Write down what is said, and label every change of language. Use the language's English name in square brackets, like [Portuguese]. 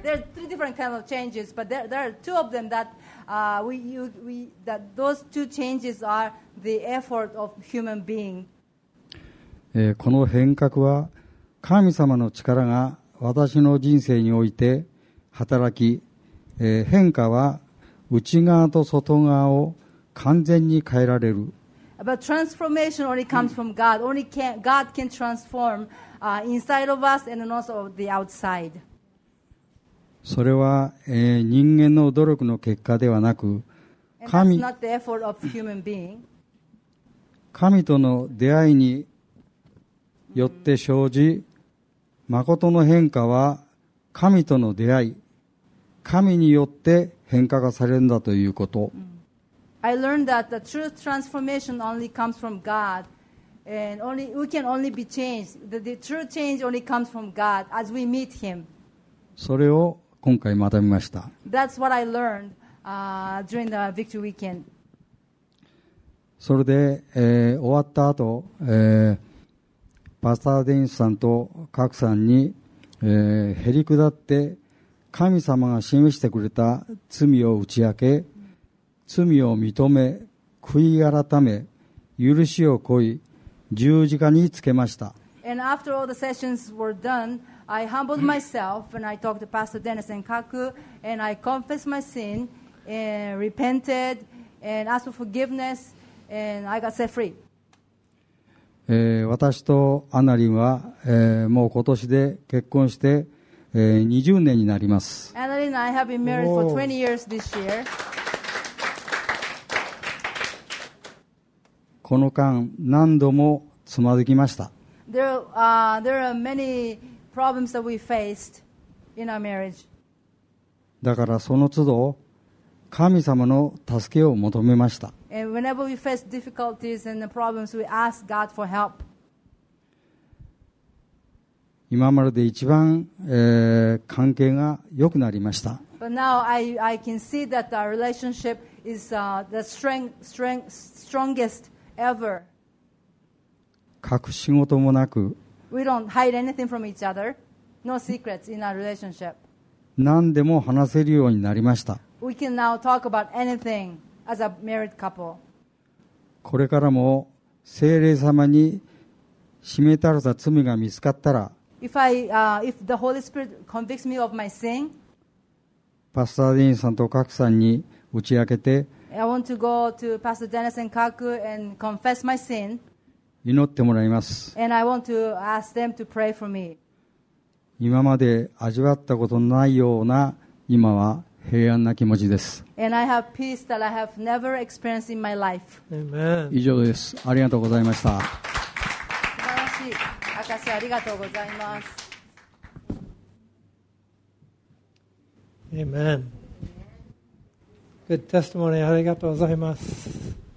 [English] There are three different kinds of changes, but there are two of them that, that those two changes are the effort of human being. [Japanese] この変革は神様の力が私の人生において働き、変化は内側と外側を完全に変えられる。 [English] But transformation only comes from God. Only can, God can transform, inside of us and also the outside. [Japanese] それは、人間の努力の結果ではなく、 [English] 神、 that's not the effort of human being. [Japanese] 神との出会いによって生じ、誠の変化は神との出会い、神によって変化がされるんだということ。 [English] I learned that the true transformation only comes from God, and only we can only be changed. The true change only comes from God as we meet Him. [Japanese] それを今回学びました。 [English] That's what I learned, during the Victory Weekend. [Japanese] それで、終わった後、パスターデニスさんとカクさんに、へりくだって神様が示してくれた罪を打ち明け、罪を認め、悔い改め、許しを乞い、十字架につけました。 [English] And after all the sessions were done, I humbled myself and I talked to Pastor Dennis and Kaku, and I confessed my sin and repented and asked for forgiveness and I got set free. [Japanese] 私とアナリンは、もう今年で結婚して、20年になります。 [English] アナリン、I have been married for 20 years this year. [Japanese] この間何度もつまずきました。 [English] There are many problems that we faced in our marriage. [Japanese] だからその都度神様の助けを求めました。 [English] And whenever we face difficulties and the problems, we ask God for help. [Japanese] 今まで一番、関係が良くなりました。 [English] But now I can see that our relationship is the strongest ever. [Japanese] 隠し事もなく。 [English] We don't hide anything from each other. No secrets in our relationship. [Japanese] 何でも話せるようになりました。 [English] We can now talk about anything as a married couple. [Japanese] これからも聖霊様に締めたるた罪が見つかったら、 [English] If the Holy Spirit convicts me of my sin, [Japanese] パスタデニスさんとカクさんに打ち明けて、 [English] I want to go to Pastor Dennis and Kaku and confess my sin. [Japanese] 祈ってもらいます。 [English] And I want to ask them to pray for me. [Japanese] 今まで味わったことのないような今は平安な気持ちです。 [English] And I have peace that I have never experienced in my life. Amen. [Japanese] 以上です。ありがとうございました。素晴らしい。 [English] Amen. Good testimony. [Japanese] ありがとうございます。